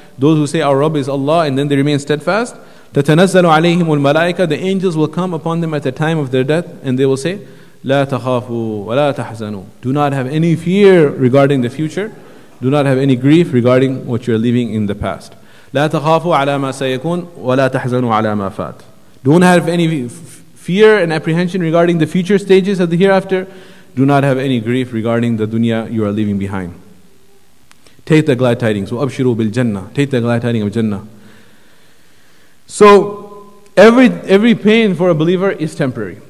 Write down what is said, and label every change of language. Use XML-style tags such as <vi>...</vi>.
<en>Those who say our Rabb is Allah, and then they remain steadfast.</en> <ar>تَتَنَزَّلُ عَلَيْهِمُ الْمَلَائِكَةُ.</ar> <en>The angels will come upon them at the time of their death, and they will say,</en> <ar>لَا تَخَافُوا وَلَا تَحْزَنُوا.</ar> <en>Do not have any fear regarding the future. Do not have any grief regarding what you are leaving in the past.</en> <ar>لا تخافوا على ما سيكون ولا تحزنوا على ما فات.</ar> <en>Don't have any fear and apprehension regarding the future stages of the hereafter. Do not have any grief regarding the dunya you are leaving behind. Take the glad tidings.</en> <ar>وابشروا بالجنة.</ar> <en>Take the glad tidings of Jannah. So every pain for a believer is temporary.</en>